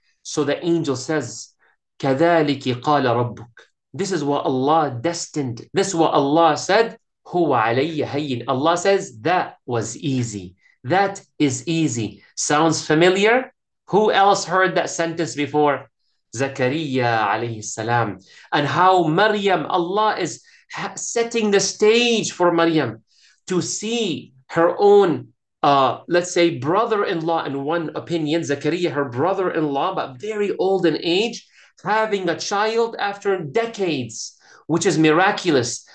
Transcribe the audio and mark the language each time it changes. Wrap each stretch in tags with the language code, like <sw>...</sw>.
<en>So the angel says,</en> <ar>كذلك قال ربك.</ar> <en>This is what Allah destined. This is what Allah said.</en> <ar>هو علي هين.</ar> <en>Allah says, that was easy. That is easy. Sounds familiar? Who else heard that sentence before? Zakaria عليه السلام. And how Maryam, Allah is setting the stage for Maryam to see her own, let's say, brother-in-law, in one opinion, Zakaria, her brother-in-law, but very old in age, having a child after decades, which is miraculous.</en>